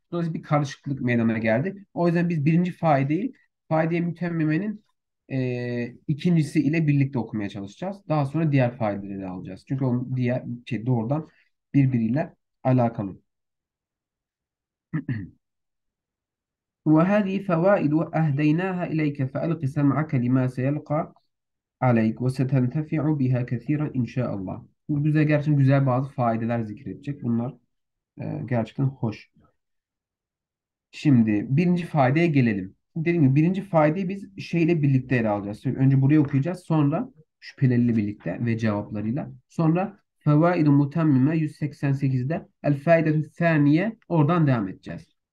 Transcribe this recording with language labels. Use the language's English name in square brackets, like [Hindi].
[Turkish] Dolayısıyla bir karışıklık meydana geldi. O yüzden biz birinci faide değil, faide mütemmemenin ikincisi ile birlikte okumaya çalışacağız. Daha sonra diğer faideleri de alacağız. Çünkü onun diğer şey doğrudan birbiriyle alakalı. [Arabic] وهذه فوائد أهديناها إليك فألق سمعك لما سيلقى عليك وستنتفع بها كثيرا إن شاء الله. [Turkish] Bu güzel, gerçekten güzel bazı faydeler zikredecek. Bunlar gerçekten hoş. Şimdi birinci faydaya gelelim. Dediğim gibi birinci faydayı biz şeyle birlikte ele alacağız. Önce burayı okuyacağız. Sonra şüphelerle birlikte ve cevaplarıyla. Sonra Fevaidu mutemmime 188'de el faydetü saniye, oradan devam edeceğiz.